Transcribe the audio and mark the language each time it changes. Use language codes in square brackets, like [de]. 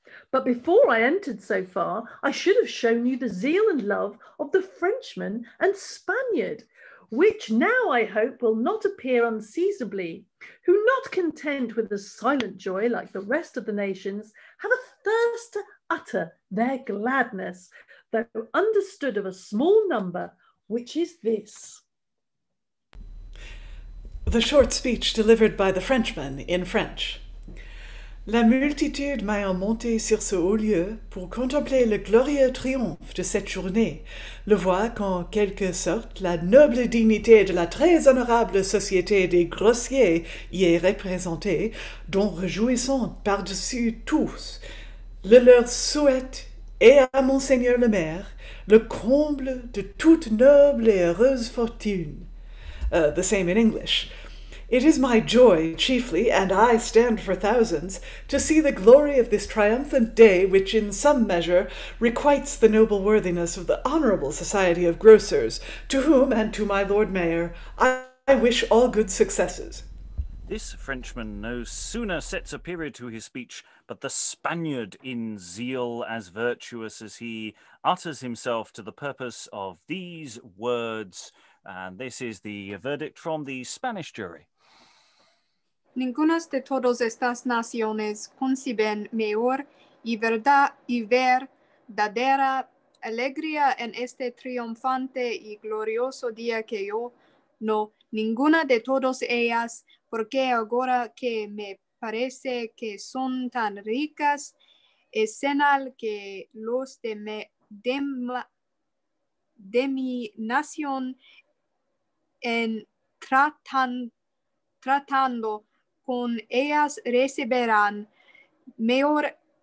[en] But before I entered so far, I should have shown you the zeal and love of the Frenchman and Spaniard, which now I hope will not appear unseasonably, who, not content with a silent joy like the rest of the nations, have a thirst to utter their gladness, though understood of a small number, which is this. The short speech delivered by the Frenchman in French. [fr] La multitude m'ayant monté sur ce haut lieu pour contempler le glorieux triomphe de cette journée, le voit qu'en quelque sorte la noble dignité de la très honorable société des grossiers y est représentée, dont réjouissant par-dessus tous, le leur souhaite et à Monseigneur le maire le comble de toute noble et heureuse fortune. [en] The same in English. It is my joy, chiefly, and I stand for thousands, to see the glory of this triumphant day, which in some measure requites the noble worthiness of the Honourable Society of Grocers, to whom, and to my Lord Mayor, I wish all good successes. This Frenchman no sooner sets a period to his speech, but the Spaniard, in zeal as virtuous as he, utters himself to the purpose of these words. And this is the verdict from the Spanish jury. [es] Ninguna de todas estas naciones conciben mejor y verdadera alegría en este triunfante y glorioso día que yo. No, ninguna de todas ellas, porque ahora que me parece que son tan ricas, es señal que los de mi nación en tratando con ellas recibirán mejor